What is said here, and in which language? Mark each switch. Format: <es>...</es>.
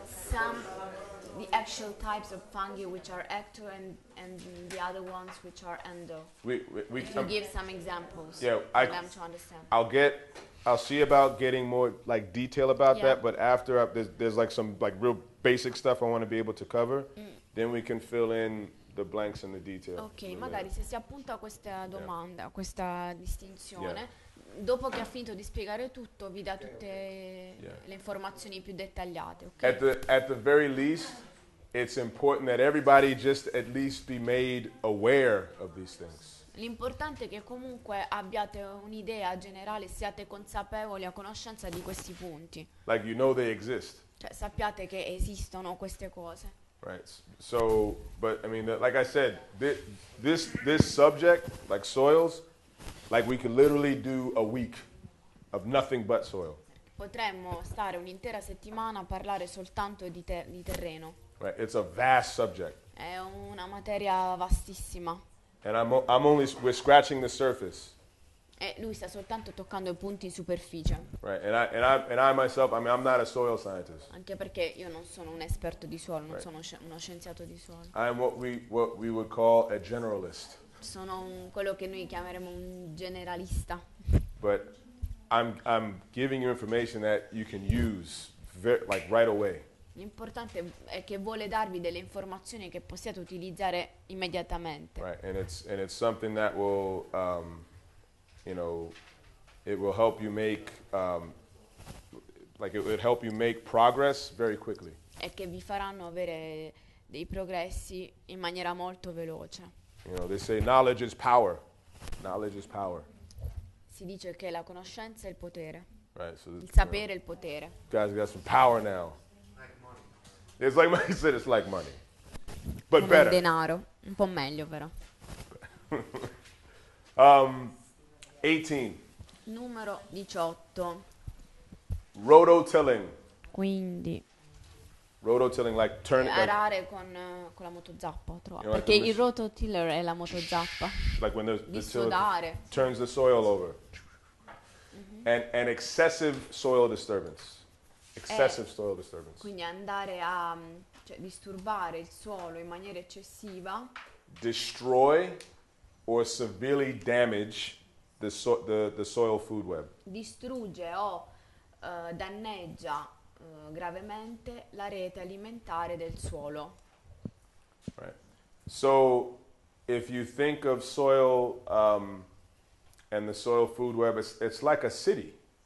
<en>Some, the actual types of fungi which are ecto and the other ones which are endo. Can you give some examples for them to understand? I'll see about getting more like detail about that, but after there's like some like real basic stuff I want to be able to cover, then we can fill in the blanks and the details.</en> <it>Okay, magari se si appunta a questa domanda, a questa distinzione, dopo che ha finito di spiegare tutto, vi dà tutte le informazioni più dettagliate.</it> <en>Okay? At the very least, it's important that everybody just at least be made aware of these things.</en> <it>L'importante è che comunque abbiate un'idea generale, siate consapevoli a conoscenza di questi punti.</it> <en>Like you know they exist.</en> <it>Cioè sappiate che esistono queste cose.</it> <en>Right. So, but I mean, like I said, this subject, like soils, like we could literally do a week of nothing but soil.</en> <it>Potremmo stare un'intera settimana a parlare soltanto di terreno.</it> <en>Right. It's a vast subject.</en> <it>È una materia vastissima.</it> <en>And we're scratching the surface.</en> <it>E lui sta soltanto toccando i punti in superficie.</it> <en>Right, I'm not a soil scientist.</en> <it>Anche perché io non sono un esperto di suolo, non sono uno scienziato di suolo.</it> <en>I'm what we would call a generalist.</en> <it>Sono quello che noi chiameremo un generalista.</it> <en>But I'm giving you information that you can use like right away.</en> <it>L'importante è che vuole darvi delle informazioni che possiate utilizzare immediatamente.</it> <en>Right, and it's something that will it will help you make it will help you make progress very quickly.</en> <it>E che vi faranno avere dei progressi in maniera molto veloce.</it> <en>You know, they say knowledge is power. Knowledge is power.</en> <it>Si dice che la conoscenza è il potere.</it> <en>Right, so</en> <it>il sapere è il potere.</it> <en>Guys, we got some power now. It's like money. It's like money, but</en> <it>come</it> <en>better.</en> <it>Come denaro, un po' meglio però.</it> <en>18.</en> <it>Numero 18.</it> <en>Rototilling.</en> <it>Quindi.</it> <en>Rototilling, like turn.</en> <it>Arare con la motozappa, perché il rototiller è la motozappa.</it> <en>Like when the tiller turns the soil over. Mm-hmm. And excessive soil disturbance. Excessive soil disturbance.</en> <it>Quindi andare a disturbare il suolo in maniera eccessiva.</it> <en>Destroy or severely damage the soil food web.</en> <it>Distrugge o danneggia gravemente la rete alimentare del suolo.</it> <en>Right. So if you think of soil and the soil food web, it's like a city.</en>